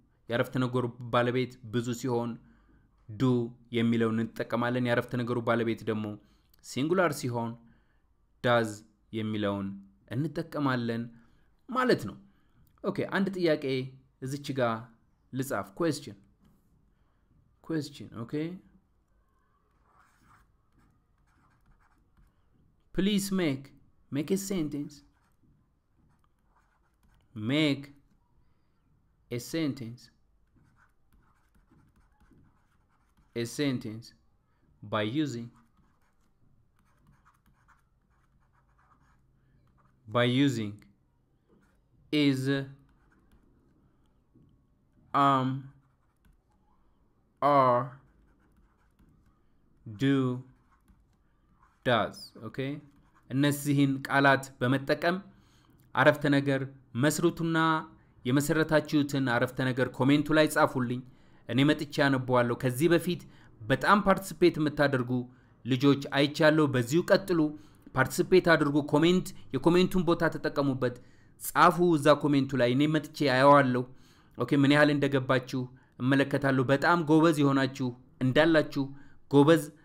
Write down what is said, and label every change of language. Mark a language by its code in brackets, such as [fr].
[am] ያረፍተ ነገሩ ባለቤት ብዙ ሲሆን ዱ የሚለውን እንጠቀማለን። ያረፍተ ነገሩ ባለቤት ደግሞ ሲንጉላር ሲሆን ዳዝ የሚለውን እንጠቀማለን ማለት ነው። ኦኬ፣ አንድ ጥያቄ እዚች ጋር ልጻፍ። question ኦኬ። [en] please make a sentence. make a sentence a sentence by using is are do does. [am] okay, እነዚህን ቃላት በመጠቀም አረፍተ ነገር መስሩትና የመሰረታችሁትን አረፍተ ነገር ኮሜንቱ ላይ ጻፉልኝ፣ እኔ መጥቼ አነባዋለሁ። ከዚህ በፊት በጣም ፓርቲሲፔት የምታደርጉ ልጆች አይቻለሁ፣ በዚሁ ቀጥሉ፣ ፓርቲሲፔት አድርጉ። ኮሜንት የኮሜንቱን ቦታ ተጠቀሙበት፣ ጻፉ እዛ ኮሜንቱ ላይ፣ እኔ መጥቼ አየዋለሁ። ኦኬ፣ ምን ያህል እንደገባችሁ እመለከታለሁ። በጣም ጎበዝ የሆናችሁ እንዳላችሁ፣ ጎበዝ